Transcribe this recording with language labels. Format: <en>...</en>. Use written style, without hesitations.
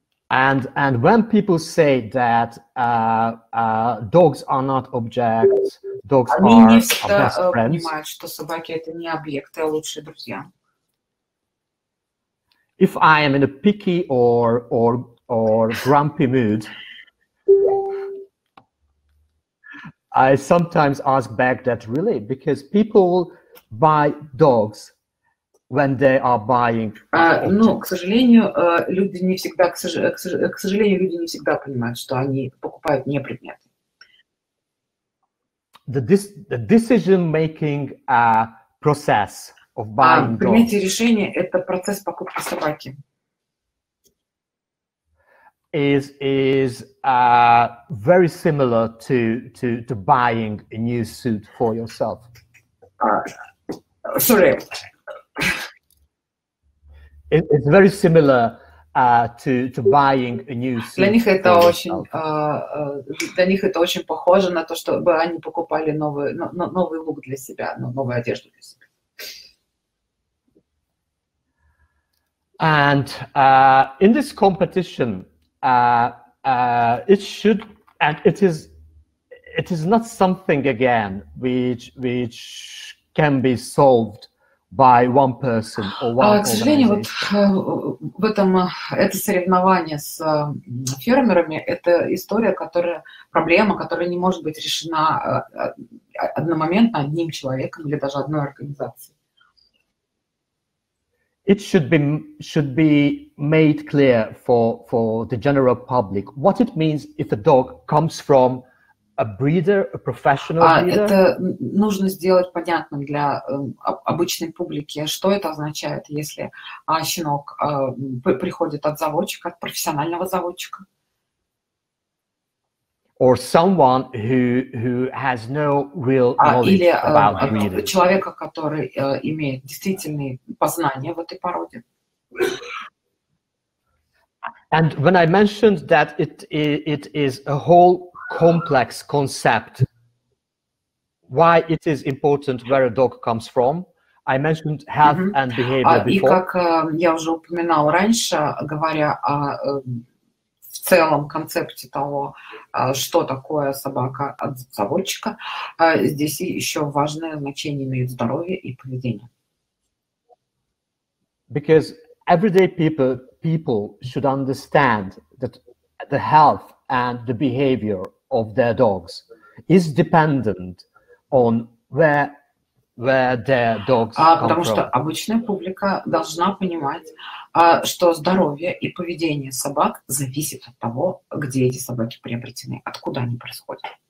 <en>And when people say that dogs are not objects, dogs</en> <ru>они</ru> <en>are</en> <ru>не всегда</ru> <en>our best friends,</en> <ru>понимают, что собаки это не объекты, а лучшие друзья.</ru> <en>If I am in a picky or grumpy mood, I sometimes ask back that really because people buy dogs when they are buying.</en> <ru>Но, к сожалению, люди не всегда, к сожалению, люди не всегда понимают, что они покупают не предметы.</ru> <en>The decision making process.</en> <ru>Принятие решения – это процесс покупки собаки.</ru> <en>Is very similar to buying a new suit for yourself. Sorry. It's very similar to buying a new suit.</en> <ru>Для них это очень похоже на то, чтобы они покупали новый лук для себя, новую одежду для себя.</ru> <en>And in this competition, it should, and it is not something again which can be solved by one person or one organization.</en> <ru>К сожалению, вот в этом это соревнование с фермерами – это история, которая проблема, которая не может быть решена одномоментно одним человеком или даже одной организацией.</ru> <en>It should be made clear for the general public what it means if a dog comes from a breeder, a professional breeder.</en> <ru>Это нужно сделать понятным для обычной публики, что это означает, если щенок приходит от заводчика, от профессионального заводчика.</ru> <en>Or someone who has no real knowledge about breeding.</en> <ru>Или человека, который имеет действительные познания в этой породе.</ru> <en>And when I mentioned that it is a whole complex concept, why it is important where a dog comes from, I mentioned health mm-hmm. and behavior before.</en> <ru>И как я уже упоминал раньше, говоря о в целом концепте того, что такое собака от заводчика, здесь еще важное значение имеет здоровье и поведение.</ru> <en>Because everyday people should understand that the health and the behavior of their dogs is dependent on where their dogs come</en> <ru>потому Что обычная публика должна понимать, что здоровье и поведение собак зависит от того, где эти собаки приобретены, откуда они происходят.</ru>